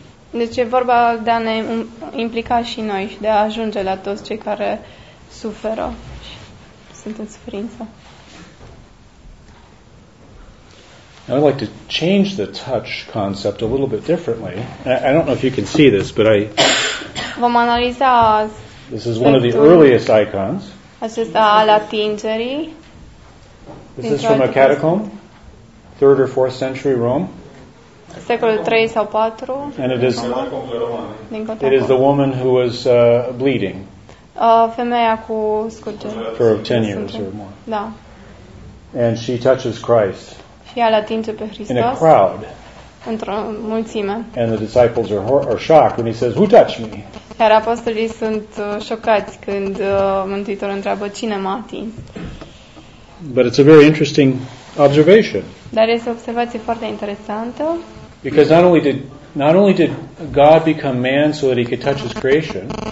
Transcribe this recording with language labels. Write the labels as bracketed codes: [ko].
[ro] Deci e vorba de a ne implica și noi și de a ajunge la toți cei care suferă și sunt în suferință. [en] I'd like to change the touch concept a little bit differently. I don't know if you can see this, but I [ro] vom analiza. [en] This is one of the earliest icons. [ro] Acesta al atingerii. [en] This is from a catacomb. 3rd or 4th century Rome. [ro] Secolul 3 sau 4. [en] And it is the woman who was bleeding. [ro] Femeia cu scurgeri. [en] For 10 years or more. [ro] Da. [en] And she touches Christ. [ro] Și el atinge pe Hristos. [en] In a crowd. [ro] Într-o mulțime. [en] And the disciples are shocked when he says, "Who touched me?" [ro] Iar apostolii sunt șocați când Mântuitorul întreabă cine m-a atins. [en] But it's a very interesting observation. [ro] Dar este o observație foarte interesantă. [en] Because not only did God become man so that he could touch his creation.